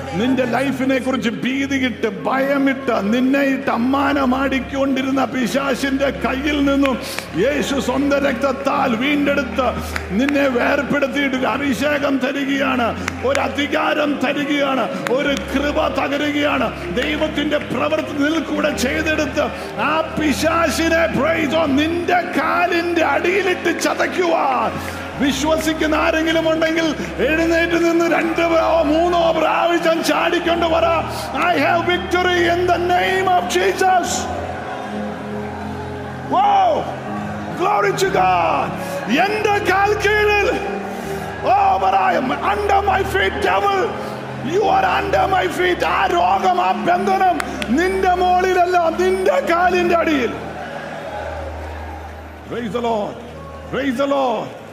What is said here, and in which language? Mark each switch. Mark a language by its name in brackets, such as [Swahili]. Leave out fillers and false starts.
[Malayalam] നിന്റെ ലൈഫിനെ കുറിച്ച് ഭീതിയിട്ട് ഭയമിട്ട് നിന്നെ ഇട്ട് അമ്മാനമാടിക്കൊണ്ടിരുന്ന പിശാശിന്റെ കയ്യിൽ നിന്നും യേശു സ്വന്തം രക്തത്താൽ വീണ്ടെടുത്ത് നിന്നെ വേർപ്പെടുത്തിയിട്ട് ഒരു അഭിഷേകം തരികയാണ്, ഒരു അധികാരം തരികയാണ്, ഒരു കൃപ തകരുകയാണ്. ദൈവത്തിന്റെ പ്രവൃത്തി നിൽക്കൂടെ ചെയ്തെടുത്ത് ആ പിശാശിനെ നിന്റെ കാലിൽ അടിയിലിട്ട് ചതയ്ക്കുവാൻ വിശ്വസിക്കുന്ന ആരെങ്കിലും ഉണ്ടെങ്കിൽ എഴുന്നേറ്റ് നിന്ന് രണ്ടോ മൂന്നോ പ്രാവശ്യം ചാടിക്കൊണ്ട് വര. [English] I have victory in the name of Jesus. Wow. Glory to God. [Malayalam] എന്റെ കാൽക്കീഴിൽ. [English] Oh, but I am under my feet, devil. You are under my feet. [Malayalam] ആ രോഗം, ആ ബന്ധനം നിന്റെ മുകളിലല്ല, നിന്റെ കാലിന്റെ അടിയിൽ. [English] Praise the Lord. Praise the Lord.